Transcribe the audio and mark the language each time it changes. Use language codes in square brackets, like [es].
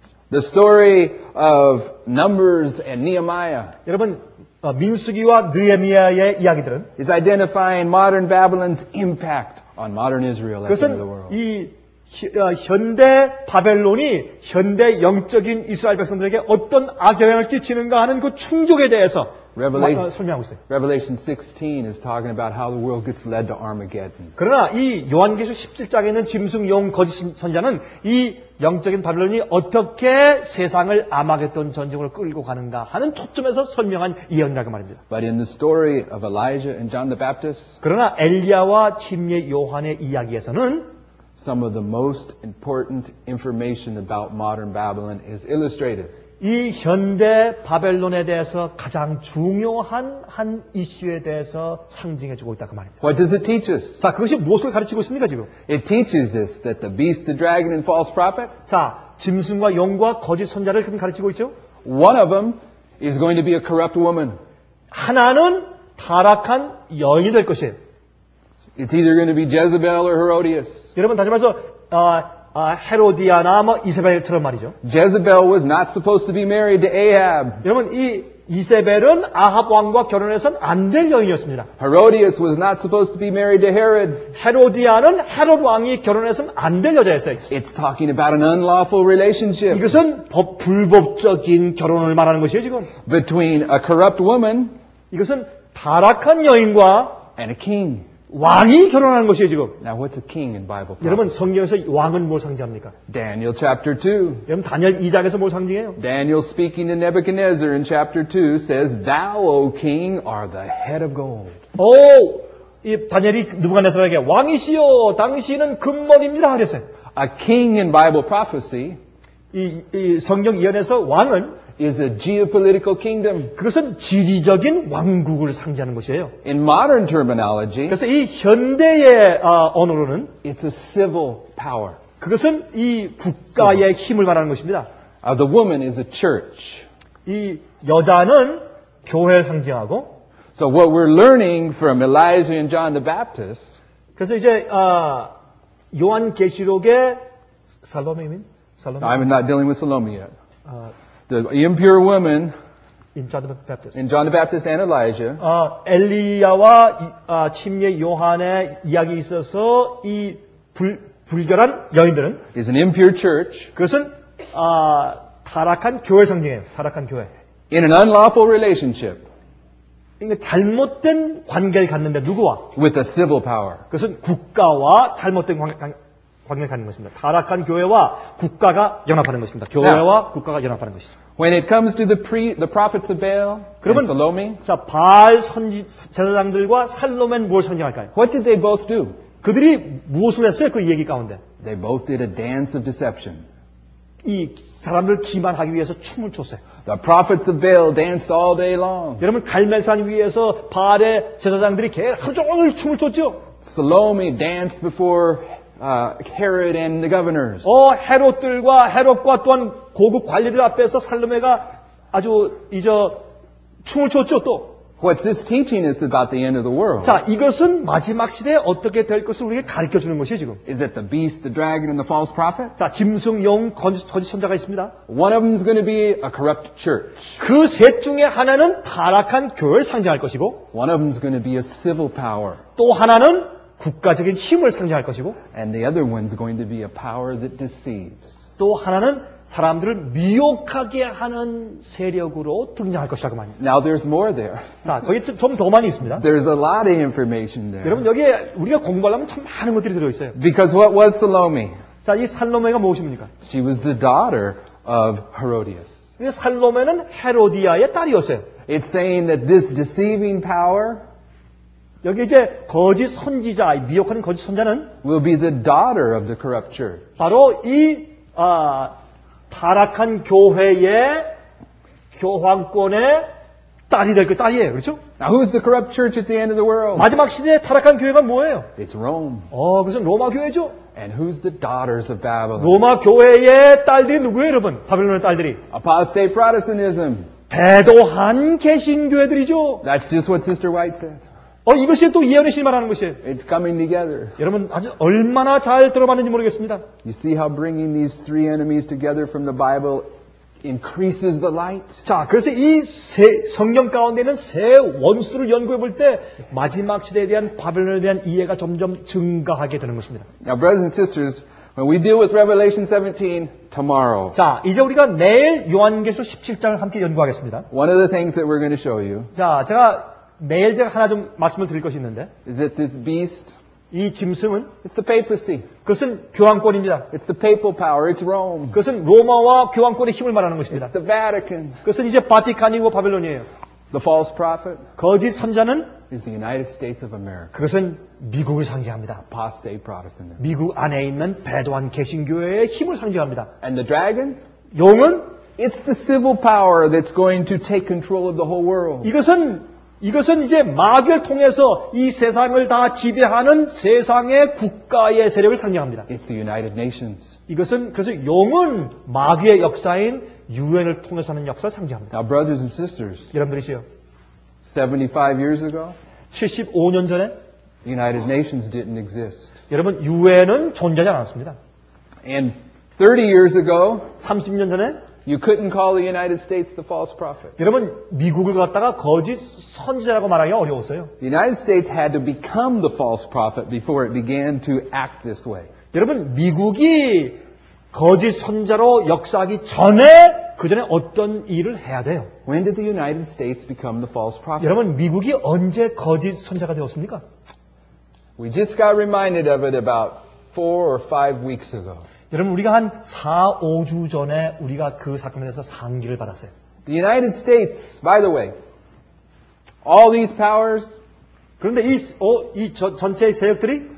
[en] The story of Numbers and Nehemiah. [ko] 여러분 민수기와 느헤미야의 이야기들은 [en] is identifying modern Babylon's impact on modern Israel at the end of the world. [ko] 현대 바벨론이 현대 영적인 이스라엘 백성들에게 어떤 악영향을 끼치는가 하는 그 충격에 대해서 설명하고 있어요. [en] Revelation 16 is talking about how the world gets led to Armageddon. [ko] 그러나 이 요한계시록 17장에 있는 짐승 용 거짓 선자는 이 영적인 바벨론이 어떻게 세상을 아마겟돈 전쟁으로 끌고 가는가 하는 초점에서 설명한 예언이라고 말입니다. [en] But in the story of Elijah and John the Baptist, [ko] 그러나 엘리야와 침례 요한의 이야기에서는 [en] some of the most important information about modern Babylon is illustrated. [ko] 이 현대 바벨론에 대해서 가장 중요한 한 이슈에 대해서 상징해 주고 있다 그 말입니다. [en] What does it teach us? [ko] 자, 그것이 무엇을 가르치고 있습니까, 지금? [en] It teaches us that the beast, the dragon and false prophet? [ko] 자, 짐승과 용과 거짓 선자를 지금 가르치고 있죠? [en] One of them is going to be a corrupt woman. [ko] 하나는 타락한 여인이 될 것이에요. [en] It's either going to be Jezebel or Herodias. [ko] 여러분 다시 말해서 헤로디아나 뭐 이세벨처럼 말이죠. [en] Jezebel was not supposed to be married to Ahab. [ko] 여러분 이 이세벨은 아합 왕과 결혼해선 안 될 여인이었습니다. [en] Herodias was not supposed to be married to Herod. [ko] 헤로디아는 헤롯 왕이 결혼해선 안 될 여자였어요. [en] It's talking about an unlawful relationship. [ko] 이것은 불법적인 결혼을 말하는 것이에요, 지금. [en] Between a corrupt woman [ko] 이것은 타락한 여인과 [en] and a king. [ko] 왕이 결혼하는 것이에요 지금. [en] Now what's a king in Bible? [ko] 여러분 성경에서 왕은 뭘 상징합니까? [en] Daniel chapter 2. [ko] 여러분 다니엘 2장에서 뭘 상징해요? [en] Daniel speaking to Nebuchadnezzar in chapter 2 says, "Thou, O king, are the head of gold." [ko] 오, 이 다니엘이 느부갓네살에게 왕이시여, 당신은 금머리입니다 하랬어요. [en] A king in Bible prophecy. [ko] 이 성경 예언에서 왕은 [en] is a geopolitical kingdom. [ko] 그것은 지리적인 왕국을 상징하는 것이에요. [en] In modern terminology, [ko] 그래서 이 현대의 언어로는 [en] it's a civil power. [ko] 그것은 이 국가의 civil. 힘을 말하는 것입니다. [en] The woman is a church. [ko] 이 여자는 교회를 상징하고 [en] so what we're learning from Elijah and John the Baptist. [ko] 그래서 이제 요한계시록의 살로미민 살로미. [en] I'm not dealing with Salome yet. The impure woman in John the Baptist, in John the Baptist and Elijah. [ko] 엘리야와 침례 요한의 이야기 있어서 이 불결한 여인들은 is an impure church. 그것은 타락한 교회 상징이에요. 타락한 교회. [en] In an unlawful relationship. [ko] 그러니까 잘못된 관계를 갖는데 누구와? [en] With a civil power. [ko] 그것은 국가와 잘못된 관계를 갖는 것입니다. 타락한 교회와 국가가 연합하는 것입니다. 교회와 [en] Now, [ko] 국가가 연합하는 것이죠. [en] When it comes to the prophets of Baal, [ko] 그러면, [en] and Salome, [ko] 자, 바알 선지 제사장들과 살로멘 뭘 상징할까요? [en] What did they both do? [ko] 그들이 무엇을 했어요? 그 얘기 가운데. [en] They both did a dance of deception. [ko] 이 사람을 기만하기 위해서 춤을 췄어요. [en] The prophets of Baal danced all day long. [ko] 여러분 갈멜산 위에서 바알의 제사장들이 하루 종일 춤을 췄죠. [en] Salome danced before Herod and the governors. [ko] 헤롯들과 헤롯과 또한 고급 관리들 앞에서 살로메가 아주 이제 춤을 췄죠 또. [en] What this teaching is about the end of the world. [ko] 자, 이것은 마지막 시대에 어떻게 될 것을 우리에게 가르쳐 주는 것이에요, 지금. [en] Is it the beast, the dragon and the false prophet? [ko] 자, 짐승 용 거짓 선자가 있습니다. [en] One of them is going to be a corrupt church. [ko] 그 셋 중에 하나는 타락한 교회를 상징할 것이고 [en] One of them is going to be a civil power. [ko] 또 하나는 국가적인 힘을 상징할 것이고 [en] And the other one's going to be a power that deceives. [ko] 또 하나는 사람들을 미혹하게 하는 세력으로 등장할 것이라고 말합니다. [en] Now there's more there. [ko] 자, 거기 좀 더 많이 있습니다. [en] There's a lot of information there. [ko] 여러분 여기에 우리가 공부하려면 참 많은 것들이 들어 있어요. [en] Because what was Salome? [ko] 자, 이 살로메가 무엇입니까? [en] She was the daughter of Herodias. [ko] 이 살로메는 헤로디아의 딸이었어요. [en] It's saying that this deceiving power [ko] 여기 이제 거짓 선지자, 미혹하는 거짓 선자는 [en] will be the daughter of the corrupt church. [ko] 바로 이 타락한 교회의 교황권의 딸이 될 그 딸이에요. 그렇죠? [en] Now who's the corrupt church at the end of the world? [ko] 마지막 시대에 타락한 교회가 뭐예요? [en] It's Rome. [ko] 그것은 로마 교회죠. [en] And who's the daughters of Babylon? [ko] 로마 교회의 딸들이 누구예요, 여러분? 바벨론의 딸들이. [en] Apostate Protestantism. [ko] 배도한 개신교회들이죠. [en] That's just what Sister White said. [ko] 이것이 또 예언의 신이 말하는 것이에요. [en] It's coming together. [ko] 여러분 아주 얼마나 잘 들어봤는지 모르겠습니다. [en] You see how bringing these three enemies together from the Bible increases the light? [ko] 자, 그래서 이 성경 가운데 있는 세 원수들을 연구해 볼 때 마지막 시대에 대한 바벨론에 대한 이해가 점점 증가하게 되는 것입니다. [en] Now, brothers and sisters, When we deal with Revelation 17 tomorrow. [ko] 자, 이제 우리가 내일 요한계시록 17장을 함께 연구하겠습니다. [en] One of the things that we're going to show you. [ko] 자, 제가 내일 제가 하나 좀 말씀을 드릴 것이 있는데. [en] Is that this beast? [ko] 이 짐승은 [en] It's the papacy. [ko] 그것은 교황권입니다. [en] It's the papal power. It's Rome. [ko] 그것은 로마와 교황권의 힘을 말하는 것입니다. [en] It's the Vatican. [ko] 그것은 이제 바티칸이고 바벨론이에요. [en] The false prophet. [ko] 거짓 선자는 [en] is the United States of America. [ko] 그것은 미국을 상징합니다. [en] Apostate Protestantism. [ko] 미국 안에 있는 배도한 개신교의 힘을 상징합니다. [en] And the dragon? [ko] 용은 [en] It's the civil power that's going to take control of the whole world. [ko] 이것은 이것은 이제 마귀를 통해서 이 세상을 다 지배하는 세상의 국가의 세력을 상징합니다. [en] It's the United Nations. [ko] 이것은 그래서 용은 마귀의 역사인 유엔을 통해서 하는 역사를 상징합니다. [en] Now, brothers and sisters, [ko] 여러분들이시여, [en] 75 years ago, [ko] 75년 전에 [en] the United Nations didn't exist. [ko] 여러분 유엔은 존재하지 않았습니다. [en] And 30 years ago, [ko] 30년 전에 [en] You couldn't call the United States the false prophet. [ko] 여러분 미국을 갖다가 거짓 선지자라고 말하기 어려웠어요. [en] The United States had to become the false prophet before it began to act this way. [ko] 여러분 미국이 거짓 선자로 역사하기 전에 그 전에 어떤 일을 해야 돼요? [en] When did the United States become the false prophet? [ko] 여러분 미국이 언제 거짓 선자가 되었습니까? [en] We just got reminded of it about 4 or 5 weeks ago. [ko] 여러분 우리가 한 4, 5주 전에 우리가 그 사건에 대해서 상기를 받았어요. [en] The United States, by the way, all these powers. [ko] 그런데 이, 어, 이 전체 세력들이